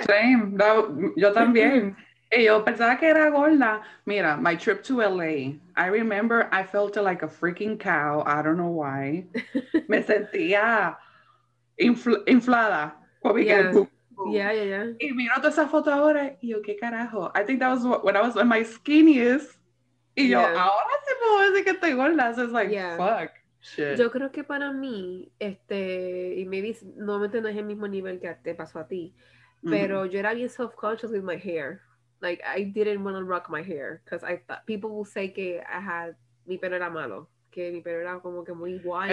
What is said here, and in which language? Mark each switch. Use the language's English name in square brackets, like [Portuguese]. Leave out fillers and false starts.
[Spanish] Same, no, yo también. Y yo pensaba que era gorda. [English] Mira, my trip to LA, I remember I felt like a freaking cow. I don't know why. [Spanish] Me sentía inflada. Como yeah. Yeah. Y miro todas esas fotos ahora, y yo, ¿qué carajo? [English] I think that was when I was in my skinniest. [Spanish] Y yo, ahora se puede decir que estoy gorda. [English] So it's like, fuck. Shit. [Spanish] Yo creo que para mí, y maybe normalmente no es el mismo nivel que te pasó a ti, pero yo era bien [English] self-conscious with my hair. Like, I didn't want to rock my hair because I thought people will say que I had, [Spanish] mi pelo era malo, que mi pelo era como que muy [English] wild.